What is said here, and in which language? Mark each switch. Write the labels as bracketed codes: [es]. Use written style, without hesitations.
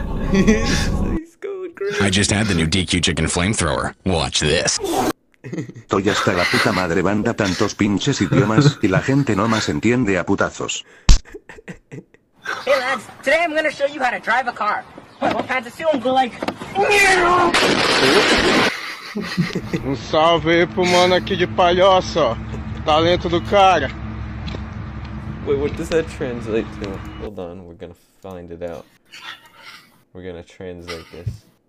[en] He's going crazy. I just had the new DQ chicken flamethrower. Watch this. [es] Estoy hasta la puta madre, banda, tantos pinches idiomas y la gente no más entiende a putazos. [en] Hey lads, today I'm gonna show you how to drive a car. [pt] Um salve aí pro mano aqui de Palhoça, talento do cara. [en] Wait, what does that translate to? Hold on, we're gonna find it out. We're gonna translate this.